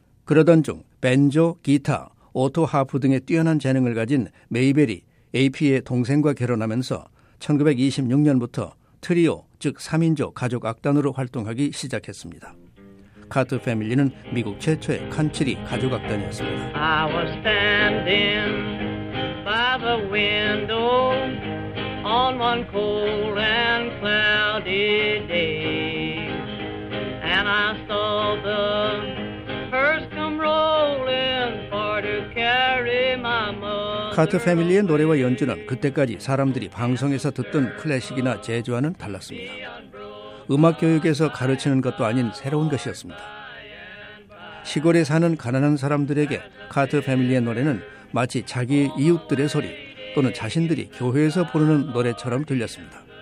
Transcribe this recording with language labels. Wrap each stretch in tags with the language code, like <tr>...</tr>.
<ko>그러던 중 벤조, 기타, 오토하프 등의 뛰어난 재능을 가진 메이벨이 AP의 동생과 결혼하면서 1926년부터 트리오, 즉 3인조 가족 악단으로 활동하기 시작했습니다. 카트 패밀리는 미국 최초의 컨트리 가족 악단이었습니다.</ko> <en>I was standing by the window on one cold and cloudy day and I saw the hearse come rolling for to carry my mother.</en> <ko>카트 패밀리의 노래와 연주는 그때까지 사람들이 방송에서 듣던 클래식이나 재즈와는 달랐습니다. 음악 교육에서 가르치는 것도 아닌 새로운 것이었습니다. 시골에 사는 가난한 사람들에게 카터 패밀리의 노래는 마치 자기 이웃들의 소리 또는 자신들이 교회에서 부르는 노래처럼 들렸습니다.</ko>